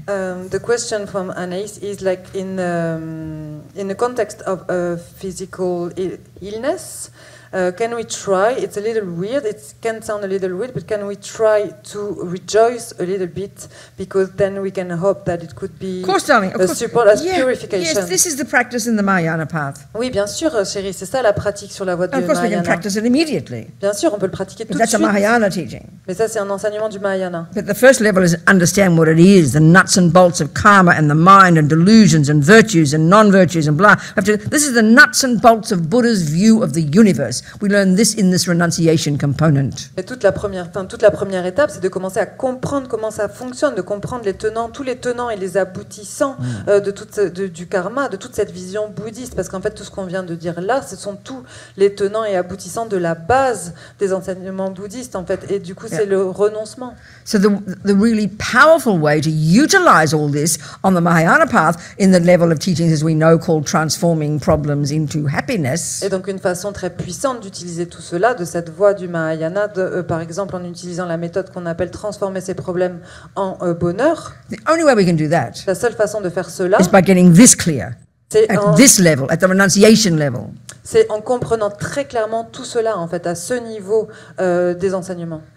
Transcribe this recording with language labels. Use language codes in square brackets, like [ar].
[en] The question from Anaïs is like in the context of a physical illness, Can we try? It's a little weird. It can sound a little weird, but can we try to rejoice a little bit? Because then we can hope that it could be of course, darling, of a support as purification. Yes, this is the practice in the Mahayana path. [fr] Oui, bien sûr, chérie, c'est ça la pratique sur la voie de Mahayana. [en] Of course, we can practice it immediately. [fr] Bien sûr, on peut le pratiquer tout de suite. [en] That's a Mahayana teaching. [fr] Mais ça, c'est un enseignement du Mahayana. [en] But the first level is understand what it is, the nuts and bolts of karma and the mind and delusions and virtues and non-virtues and blah. This is the nuts and bolts of Buddha's view of the universe. We learn this in this renunciation component. [fr] Et toute la première étape, c'est de commencer à comprendre comment ça fonctionne, de comprendre tous les tenants et les aboutissants du karma, de toute cette vision bouddhiste. Parce qu'en fait, tout ce qu'on vient de dire là, ce sont tous les tenants et aboutissants de la base des enseignements bouddhistes, en fait. Et du coup, c'est le renoncement. [en] So the really powerful way to utilize all this on the Mahayana path in the level of teachings as we know called transforming problems into happiness. [fr] Et donc une façon très puissante d'utiliser tout cela de cette voie du Mahayana, par exemple en utilisant la méthode qu'on appelle transformer ses problèmes en bonheur. [en] The only way we can do that. [fr] La seule façon de faire cela. [en] Is by getting this clear. At this level, at the renunciation level. [fr] C'est en comprenant très clairement tout cela en fait à ce niveau des enseignements.